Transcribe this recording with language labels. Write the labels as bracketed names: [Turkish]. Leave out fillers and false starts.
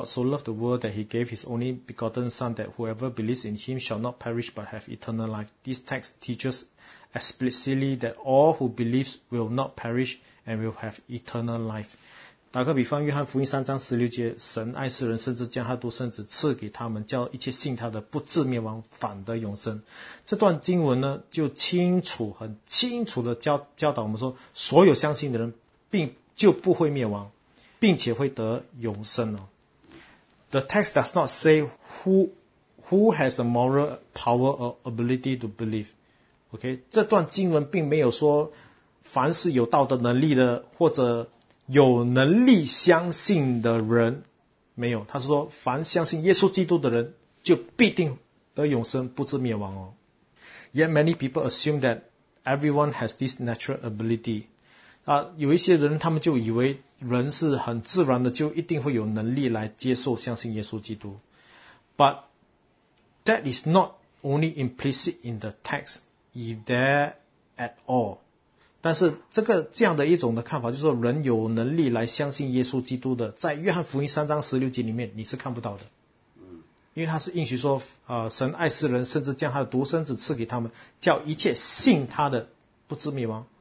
[English] God so loved the world that he gave his only begotten Son, that whoever believes in him shall not perish but have eternal life. This text teaches explicitly that all who believe will not perish and will have eternal life. [Chinese] 打个比方，约翰福音三章十六节，神爱世人，甚至将他独生子赐给他们，叫一切信他的不至灭亡，反得永生。这段经文呢，就清楚、很清楚的教导我们说，所有相信的人就不会灭亡，并且会得永生 [English] The text does not say who has the moral power or ability to believe. [Chinese] OK， 这段经文并没有说凡是有道德能力的或者有能力相信的人，没有，他是说凡相信耶稣基督的人就必定得永生，不至灭亡 [English] Yet many people assume that everyone has this natural ability. [Chinese] 有一些人他们就以为人是很自然的就一定会有能力来接受相信耶稣基督。 [English] But that is not only implicit in the text, if there at all. [Chinese] 但是这样的一种的看法就是说人有能力来相信耶稣基督的在约翰福音三章十六节里面你是看不到的。因为他是应许说神爱世人甚至将他的独生子赐给他们叫一切信他的不至灭亡。